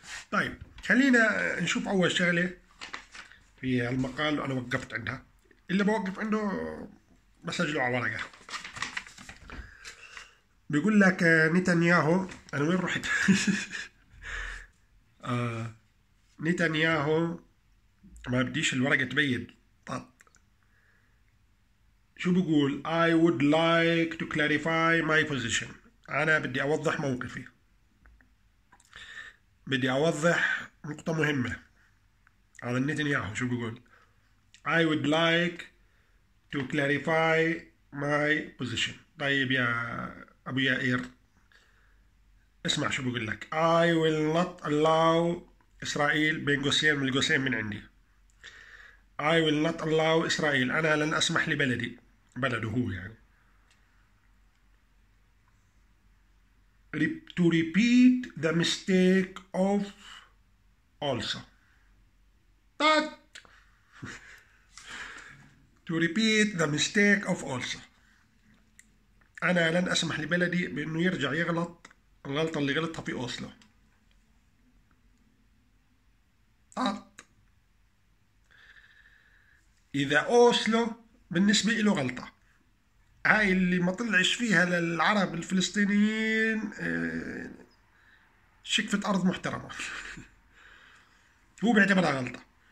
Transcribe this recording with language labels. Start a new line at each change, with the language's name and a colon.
Arabic: طيب خلينا نشوف أول شغلة في المقال وأنا وقفت عندها، اللي بوقف عنده بسجله على ورقة. بيقول لك نتنياهو، أنا وين رحت؟ نتنياهو ما بديش الورقة تبين. طب شو بقول؟
English: I would like to clarify my position.
Arabic: أنا بدي أوضح موقفي، بدي أوضح نقطة مهمة على نتنياهو. شو بقول؟
English: I would like to clarify my position.
Arabic: طيب يا أبو يائير اسمع شو بقول لك.
English: I will not allow
Arabic: إسرائيل بين قوسين من القوسين من عندي.
English: I will not allow إسرائيل،
Arabic: أنا لن أسمح لبلدي، بلده هو يعني،
English: to repeat the mistake of also. to repeat the mistake of also.
Arabic: أنا لن أسمح لبلدي بأنه يرجع يغلط الغلطة اللي غلطها في أوسلو. إذا أوسلو بالنسبة له غلطة، هاي اللي ما طلعش فيها للعرب الفلسطينيين شقفة أرض محترمة، هو بيعتبرها غلطة.